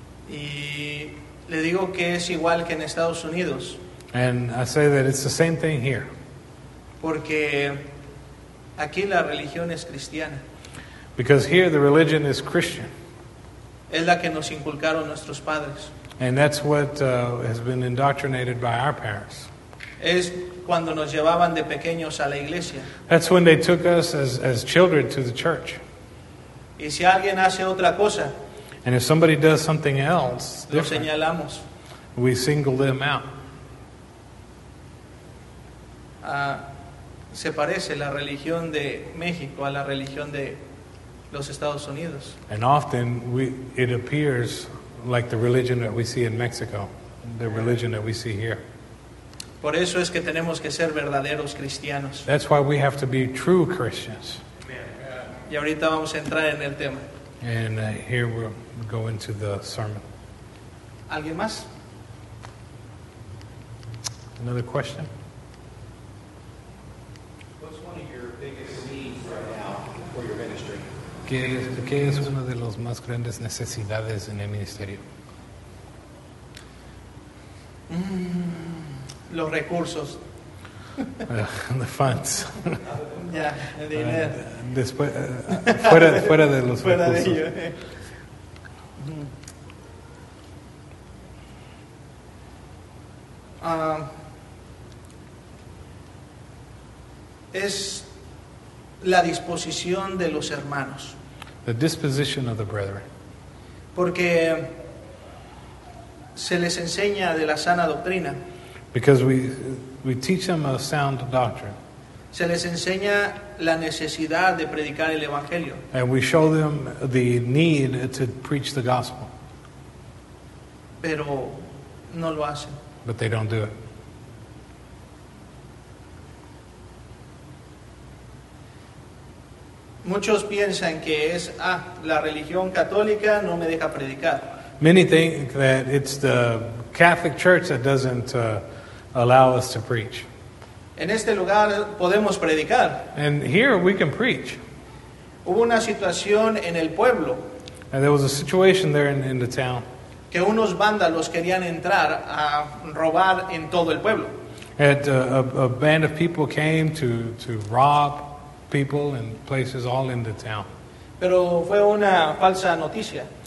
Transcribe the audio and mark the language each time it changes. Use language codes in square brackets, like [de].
[es] Y le digo que es igual que en Estados Unidos. [en] And I say that it's the same thing here. [es] Porque aquí la religión es cristiana. [en] Because here the religion is Christian. [es] Es la que nos inculcaron nuestros padres. [en] And that's what has been indoctrinated by our parents. [es] Es cuando nos llevaban de pequeños a la iglesia. [en] That's when they took us as children to the church. [es] Y si alguien hace otra cosa, [en] and if somebody does something else, [es] lo señalamos. [en] We single them out. [es] Se parece la religión de México a la religión de los Estados Unidos. [en] And often it appears like the religion that we see in Mexico, the religion that we see here. [es] Por eso es que tenemos que ser verdaderos cristianos. [en] That's why we have to be true Christians. [es] Y ahorita vamos a entrar en el tema. [en] And here we'll go into the sermon. [es] ¿Alguien más? [en] Another question? What's one of your biggest needs right now for your ministry? [es] ¿Qué es una de las más grandes necesidades en el ministerio? Los recursos. [en] The funds. [es] Yeah, el dinero. Después, fuera de los fuera recursos. De ello, Es la disposición de los hermanos. [en] The disposition of the brethren. [es] Porque se les enseña de la sana doctrina. [en] Because we teach them a sound doctrine. [es] Se les enseña la necesidad de predicar el evangelio. [en] And we show them the need to preach the gospel. [es] Pero no lo hacen. [en] But they don't do it. [es] Muchos piensan que es la religión católica no me deja predicar. [en] Many think that it's the Catholic Church that doesn't allow us to preach. [es] En este lugar podemos predicar. [en] And here we can preach. [es] Hubo una situación en el pueblo. [en] And there was a situation there in the town. [es] Que unos vándalos querían entrar a robar en todo el pueblo. [en] And a band of people came to rob people and places all in the town. [es] Pero fue una falsa noticia.